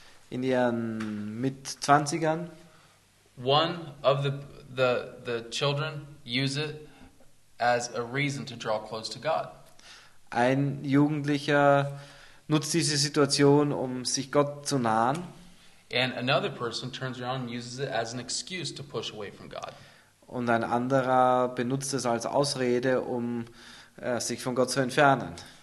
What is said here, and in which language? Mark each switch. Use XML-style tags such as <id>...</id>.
<de>In ihren Mid-20ern.</de> <en>One of the children use it as a reason to draw close to God.</en> <de>Ein Jugendlicher nutzt diese Situation, um sich Gott zu nahen.</de> <en>And another person turns around and uses it as an excuse to push away from God.</en> <de>Und ein anderer benutzt es als Ausrede, um sich von Gott zu entfernen.</de>